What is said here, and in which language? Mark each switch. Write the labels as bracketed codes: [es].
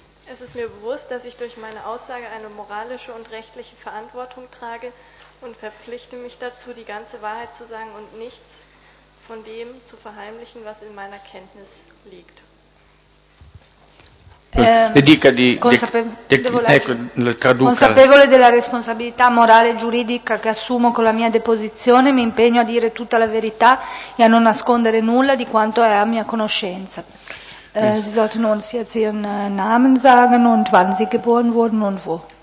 [de] Es ist mir bewusst, dass ich durch meine Aussage eine moralische und rechtliche Verantwortung trage und verpflichte mich dazu, die ganze Wahrheit zu sagen und nichts von dem zu verheimlichen, was in meiner Kenntnis liegt. [it] Le dica di consapevole della responsabilità morale e giuridica che assumo con la mia deposizione, mi impegno a dire tutta la verità e a non nascondere nulla di quanto è a mia conoscenza. [de] Sie sollten uns jetzt ihren Namen sagen und wann sie geboren wurden und wo.